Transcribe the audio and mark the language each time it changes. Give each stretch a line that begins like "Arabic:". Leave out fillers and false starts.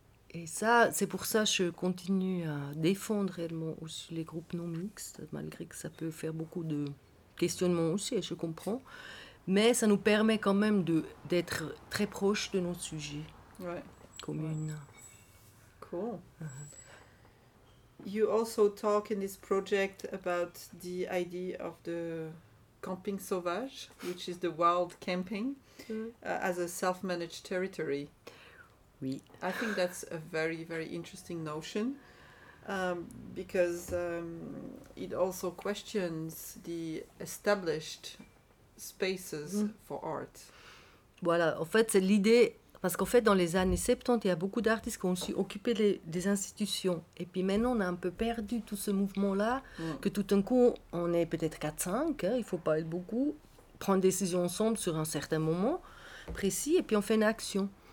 French: Et ça, c'est pour ça que je continue à défendre réellement aussi les groupes non mixtes, malgré que ça peut faire beaucoup de questionnements aussi, et je comprends. Mais ça nous permet quand même d'être très proche de nos sujets communes. Cool.
English: You also talk in this project about the idea of the camping sauvage, which is the wild camping, as a self-managed territory.
French: Oui.
English: I think that's a very, very interesting notion, because it also questions the established spaces for art.
French: Voilà, en fait, c'est l'idée, parce qu'en fait, dans les années 70, il y a beaucoup d'artistes qui ont aussi occupé des institutions. Et puis maintenant, on a un peu perdu tout ce mouvement-là, que tout d'un coup, on est peut-être 4-5, hein, il ne faut pas être beaucoup, prendre une décision ensemble sur un certain moment précis, et puis on fait une action.